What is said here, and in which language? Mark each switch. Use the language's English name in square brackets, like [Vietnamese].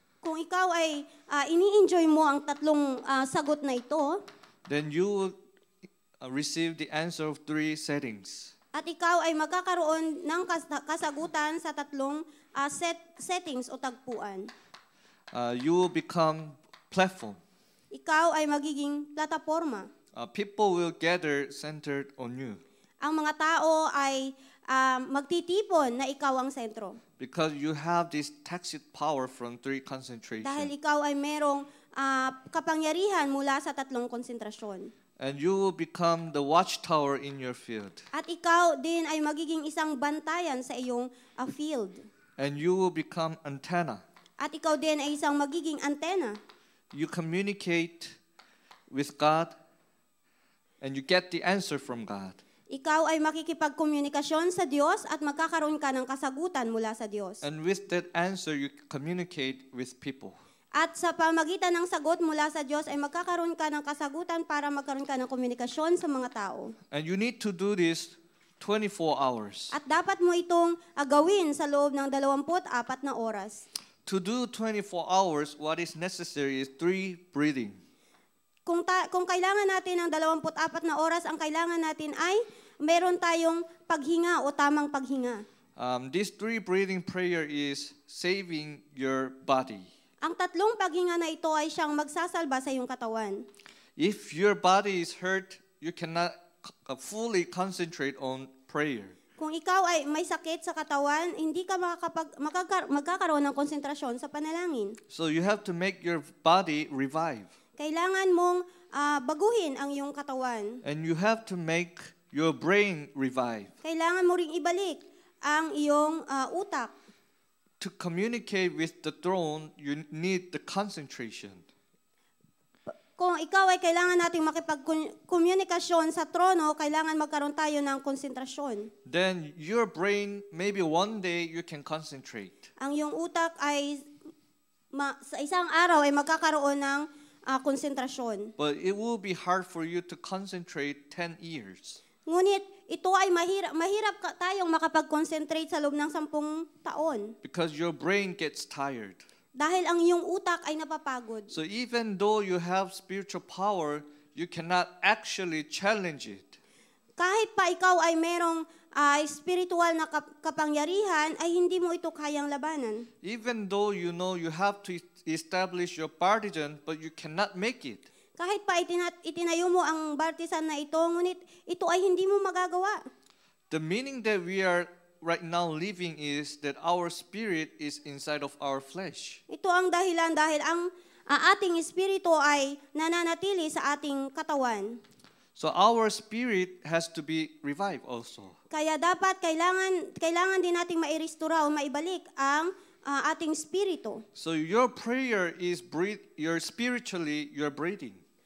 [Filipino] kung ikaw ay ini-enjoy mo ang tatlong sagot na ito, [English] then you will receive the answer of three settings. [Filipino] At ikaw ay magkakaroon ng kasagutan sa tatlong settings o tagpuan. [English] You will become platform. [Filipino] Ikaw ay magiging plataforma. [English] People will gather centered on you. [Filipino] Ang mga tao ay magtitipon na ikaw ang sentro. [English] Because you have this tacit power from three concentrations. [Filipino] Dahil ikaw ay merong kapangyarihan mula sa tatlong konsentrasyon. [English] And you will become the watchtower in your field. [Filipino] At ikaw din ay magiging isang bantayan sa iyong field. [English] And you will become antenna. [Filipino] At ikaw din ay isang magiging antenna. [English] You communicate with God and you get the answer from God. [Filipino] Ikaw ay makikipagkomunikasyon sa Diyos at magkakaroon ka ng kasagutan mula sa Diyos. [English] And with that answer, you communicate with people. [Filipino] At sa pamagitan ng sagot mula sa Diyos ay magkakaroon ka ng kasagutan para magkaroon ka ng komunikasyon sa mga tao. [English] And you need to do this 24 hours. [Filipino] At dapat mo itong gawin sa loob ng 24 na oras. [English] To do 24 hours, what is necessary is three breathing. [Filipino] Kung kailangan natin ng 24 na oras, ang kailangan natin ay meron tayong paghinga o tamang paghinga. [English] This three breathing prayer is saving your body. [Filipino] Ang tatlong paghinga na ito ay siyang magsasalba sa iyong katawan. [English] If your body is hurt, you cannot fully concentrate on prayer. [Filipino] Kung ikaw ay may sakit sa katawan, hindi ka magkakaroon ng konsentrasyon sa panalangin. [English] So you have to make your body revive. [Filipino] Kailangan mong baguhin ang iyong katawan. [English] And you have to make your brain revive. [Filipino] Kailangan mo ring ibalik ang iyong utak. [English] To communicate with the throne, you need the concentration. [Filipino] Kung ikaw ay kailangan nating makipag-communication sa trono, kailangan magkaroon tayo ng konsentrasyon. [English] Then your brain, maybe one day you can concentrate. [Filipino] Ang iyong utak ay sa isang araw ay magkakaroon ng konsentrasyon. [English] But it will be hard for you to concentrate 10 years. [Filipino] Ngunit ito ay mahirap tayong makapag-concentrate sa loob ng 10 taon. [English] Because your brain gets tired. [Filipino] Dahil ang iyong utak ay napapagod. [English] So even though you have spiritual power, you cannot actually challenge it. [Filipino] Kahit pa ikaw ay merong spiritual na kapangyarihan, ay hindi mo ito kayang labanan. [English] Even though you know you have to establish your partisan, but you cannot make it. [Filipino] Kahit pa itinayo mo ang partisan na ito, ngunit ito ay hindi mo magagawa. [English] The meaning that we are right now living is that our spirit is inside of our flesh. [Filipino] Ito ang dahilan dahil ang ating espiritu ay nananatili sa ating katawan. [English] So our spirit has to be revived also. [Filipino] Kaya dapat kailangan din nating mairestore o maibalik ang ating espiritu. [English] So your prayer is your spiritually your breathing.